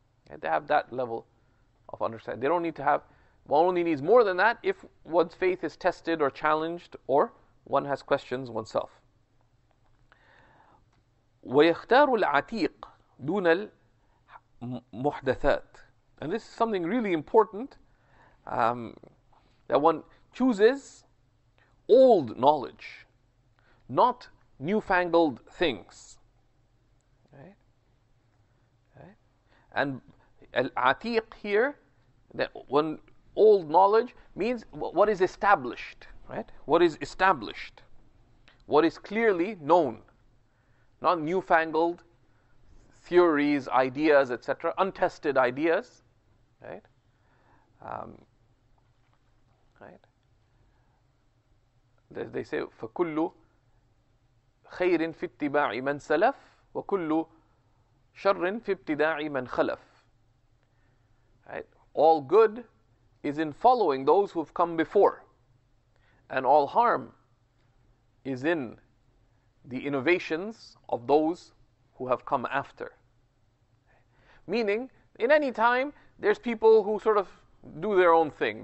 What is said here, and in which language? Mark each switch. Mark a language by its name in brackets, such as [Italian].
[English] And they have that level of understanding. They don't need to have, one only needs more than that if one's faith is tested or challenged or One has questions oneself. [Arabic] ويختار العتيق دون المحدثات. [English] And this is something really important, that one chooses old knowledge, not newfangled things. And al-atiq here, that when old knowledge means what is established, right? What is established, what is clearly known, not newfangled theories, ideas, etc., untested ideas, right? Right. They say [Arabic] فكل خير في اتباع من سلف وكل شر في ابتداع من خلف. [English] Right. All good is in following those who have come before, and all harm is in the innovations of those who have come after. Meaning, in any time, there's people who sort of do their own thing.